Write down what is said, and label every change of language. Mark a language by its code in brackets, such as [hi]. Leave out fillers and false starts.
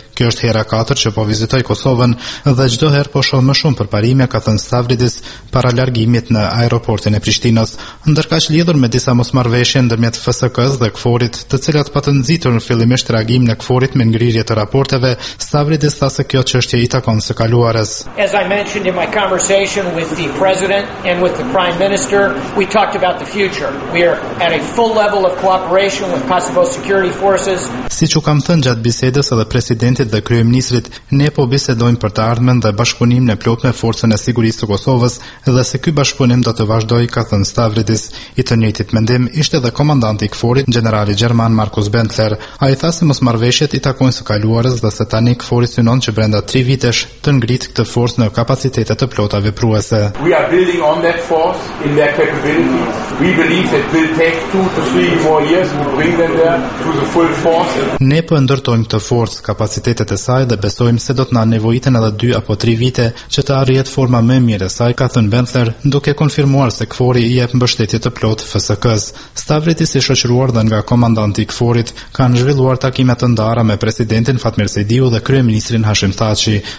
[sq] Kjo është hera 4 që po vizitoj Kosovën dhe çdo herë po shoh më shumë përparime, ka thënë Stavridis para largimit në aeroportin e Prishtinës. Ndërkaq lidhur me disa mosmarrveshje ndërmjet FSK-s dhe KFOR-it, të cilat patën nxitur fillimisht reagim në KFOR-it me ngrirje të raporteve, Stavridis disa se kjo çështje i takon së kaluarës. [en] As I mentioned in my conversation with the president and with the prime minister, we talked about the future. We are at a full level of cooperation with Kosovo security forces. [sq] Siç u kam thënë gjatë bisedës edhe presidentit dhe kryeministrit, ne po bisedojmë për të ardhmen dhe bashkëpunimin e plotë me forcën e sigurisë të Kosovës, dhe se ky bashkëpunim do të vazhdojë, ka thënë Stavridis. I të njëjtit mendim ishte edhe komandanti i KFOR-it, gjenerali gjerman Markus Bentler. Ai tha se mosmarrveshjet i takojnë së kaluarës dhe se tani KFOR synon që brenda 3 vitesh të ngritë këtë forcë në kapacitetet të plota vepruese. [en] We are building on that force in their capabilities. We believe it will take 2 to 3 more years to bring them there to the full force. [sq] Ne po ndërtojmë këtë forcë, kapacitetet e saj dhe besojmë se do të na nevojiten edhe 2 apo 3 vite që të arrijet forma më e mirë e saj, ka thënë Bentler, duke konfirmuar se KFOR-i i jep mbështetje të plotë FSK-s. Stavridis i shoqëruar dhe nga komandanti i KFOR-it kanë zhvilluar takime të ndara me presidentin Fatmir Sejdiu dhe ministrin Hashim Thaçi.